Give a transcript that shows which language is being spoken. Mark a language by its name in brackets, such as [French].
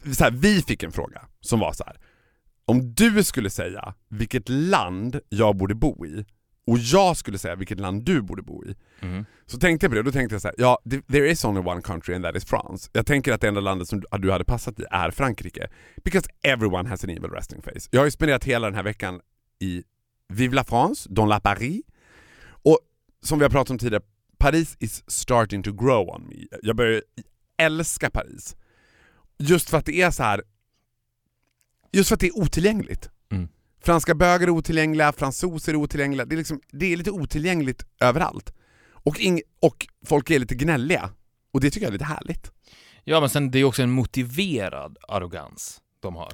[Swedish] Vi fick en fråga som var så här. Om du skulle säga vilket land jag borde bo i. Och jag skulle säga vilket land du borde bo i. Mm. Så tänkte jag på det. Då tänkte jag så här. Ja, [English] there is only one country and that is France. [Swedish] Jag tänker att det enda landet som du hade passat i är Frankrike. [English] Because everyone has an evil resting face. [Swedish] Jag har ju spenderat hela den här veckan i [French] Vive la France, dans la Paris. [Swedish] Och som vi har pratat om tidigare. [English] Paris is starting to grow on me. [Swedish] Jag börjar älska Paris. Just för att det är så här. Just för att det är otillgängligt. Mm. Franska bögar är otillgängliga. Fransoser är otillgängliga. Det är, liksom, det är lite otillgängligt överallt. Och folk är lite gnälliga. Och det tycker jag är lite härligt. Ja, men sen det är också en motiverad arrogans de har.